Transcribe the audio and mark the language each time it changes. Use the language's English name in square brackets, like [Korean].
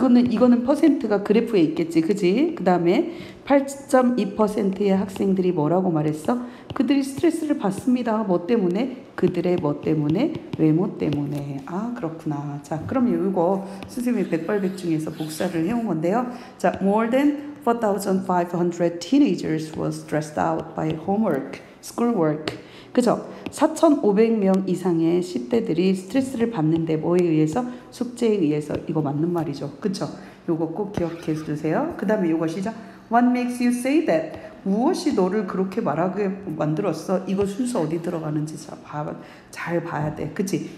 [Korean] 이거는 퍼센트가 그래프에 있겠지. 그지? 그 다음에 8.2%의 학생들이 뭐라고 말했어? 그들이 스트레스를 받습니다. 뭐 때문에? 그들의 뭐 때문에? 외모 때문에. 아, 그렇구나. 자, 그럼 이거 선생님이 백발백중에서 복사를 해온 건데요. [English] 자, more than 4,500 teenagers were stressed out by homework, schoolwork. [Korean] 그죠? 4,500명 이상의 10대들이 스트레스를 받는데 뭐에 의해서? 숙제에 의해서. 이거 맞는 말이죠. 그쵸? 이거 꼭 기억해 주세요. 그 다음에 이거 시작. [English] What makes you say that? [Korean] 무엇이 너를 그렇게 말하게 만들었어? 이거 순서 어디 들어가는지 잘 봐야 돼. 그치?